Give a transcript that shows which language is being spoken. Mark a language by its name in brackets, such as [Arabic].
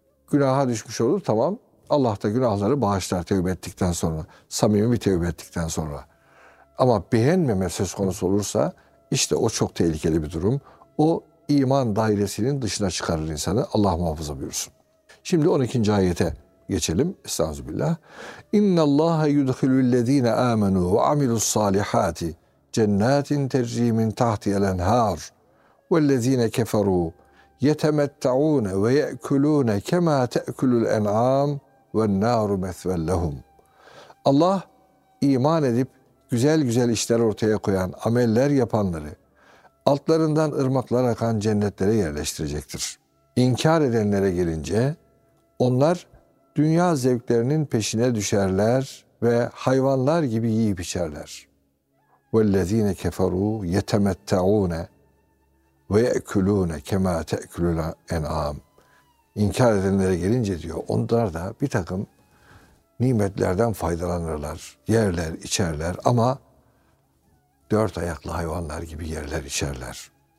[Turkish] Günaha düşmüş olur, tamam. Allah da günahları bağışlar tevbe ettikten sonra. Samimi bir tevbe ettikten sonra. Ama beğenmeme söz konusu olursa işte o çok tehlikeli bir durum. O iman dairesinin dışına çıkarır insanı. Allah muhafaza buyursun. Şimdi 12. ayete geçelim. Estağfirullah. [Arabic] اِنَّ اللّٰهَ يُدْخِلُ الَّذ۪ينَ آمَنُوا وَعَمِلُوا الصَّالِحَاتِ جَنَّاتٍ تَجْرِي مِنْ تَحْتِيَ الْاَنْهَارِ وَالَّذ۪ينَ كَفَرُوا يَتَمَتَّعُونَ وَيَأْكُلُونَ كَمَا تَأْكُلُ الْاَنْعَامِ وَالنَّارُ مَثْوَلْ لَهُمْ [Turkish] Allah iman edip güzel güzel işler ortaya koyan, ameller yapanları altlarından ırmaklar akan cennetlere yerleştirecektir. İnkar edenlere gelince onlar dünya zevklerinin peşine düşerler ve hayvanlar gibi yiyip içerler. [Arabic] وَالَّذ۪ينَ كَفَرُوا يَتَمَتَّعُونَ وَيَأْكُلُونَ كَمَا تَأْكُلُ الْاَنْعَامِ [Turkish] İnkar edenlere gelince diyor onlar da bir takım nimetlerden faydalanırlar, yerler, içerler ama dört ayaklı hayvanlar gibi yerler, içerler.